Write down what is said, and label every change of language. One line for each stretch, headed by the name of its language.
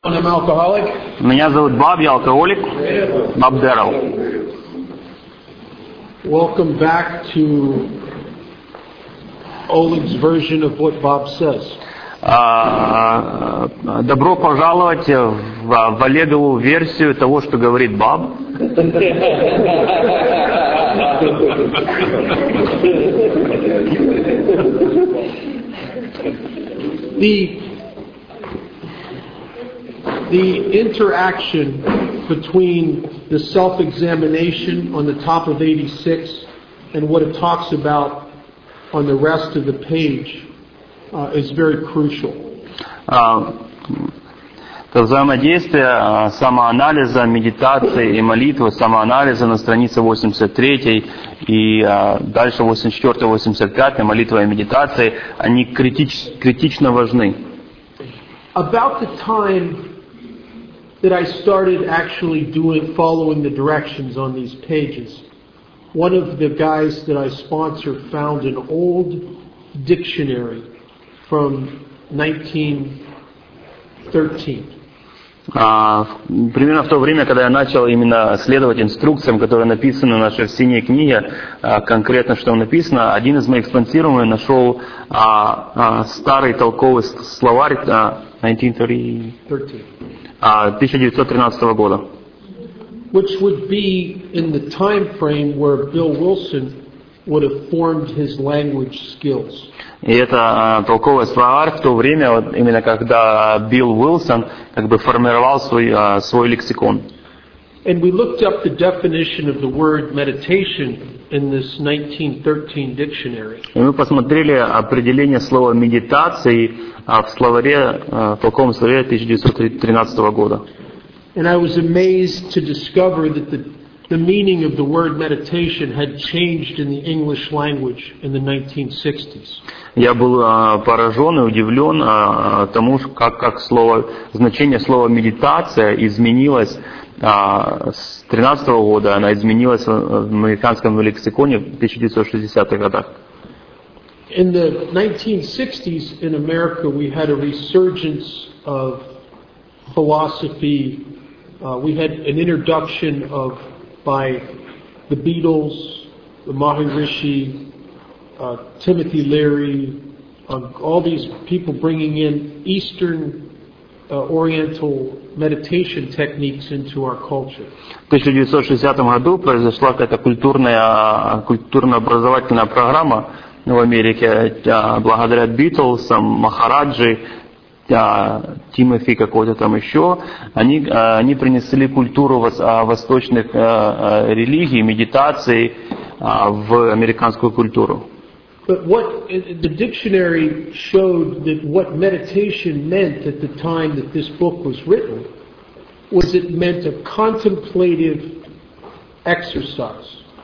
Russian: Меня зовут Боб, я алкоголик. Боб Дэрол.
English: Welcome back to Oleg's version of what Bob says.
Russian: Добро пожаловать в Олегову версию того, что говорит Боб.
English: The interaction between the self-examination on the top of 86 and what it talks about on the rest of the page is very crucial.
Russian: То взаимодействие самоанализа, медитации и молитвы, самоанализа на странице 83 и дальше 84-85, молитва и медитации, они критично важны.
English: About the time that I started actually doing, following the directions on these pages, one of the guys that I sponsor found an old dictionary from 1913.
Russian: Примерно в то время, когда я начал именно следовать инструкциям, которые написаны в нашей синей книге, конкретно что написано, один из моих спонсируемых нашел старый толковый словарь 1913 года.
English: Which would be in the time frame where Bill Wilson would have formed his language skills.
Russian: И это толковый словарь в то время, вот именно когда Билл Уилсон как бы формировал свой лексикон.
English: And we looked up the definition of the word meditation in this 1913 dictionary.
Russian: И мы посмотрели определение слова медитации в словаре, в толковом словаре 1913 года.
English: And I was amazed to discover that the meaning of the word meditation had changed in the English language in the 1960s.
Russian: Я был поражен и удивлен тому, как слово, значение слова медитация изменилось с 13-го года, она изменилась в американском лексиконе в 1960-х годах.
English: In the 1960s in America we had a resurgence of philosophy, we had an introduction of by the Beatles, the Maharishi, Timothy Leary, all these people bringing in Eastern Oriental meditation techniques into our culture.
Russian: В 1960 году произошла какая-то культурно-образовательная программа в Америке благодаря Битлсам, Махараджи, Тимофи какой-то там еще, они принесли культуру восточных религий, медитации в американскую культуру.
English: But what the dictionary showed that what meditation meant at the time that this book was written was it meant a contemplative exercise.